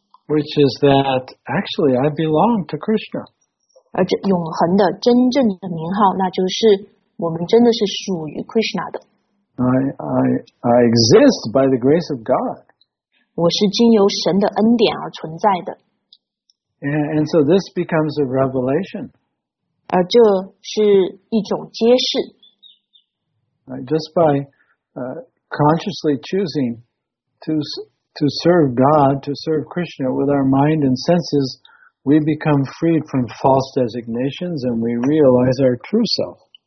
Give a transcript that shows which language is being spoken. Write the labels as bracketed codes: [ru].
[en] Which is that actually I belong to Krishna. [zh] 而这永恒的真正的名号，那就是我们真的是属于 Krishna 的。 [en] I exist by the grace of God. [zh] 我是经由神的恩典而存在的。 [en] And so this becomes a revelation. [zh] 而这是一种揭示。 [en] Just by consciously choosing to serve God, to serve Krishna with our mind and senses, we become freed from false designations and we realize our true self.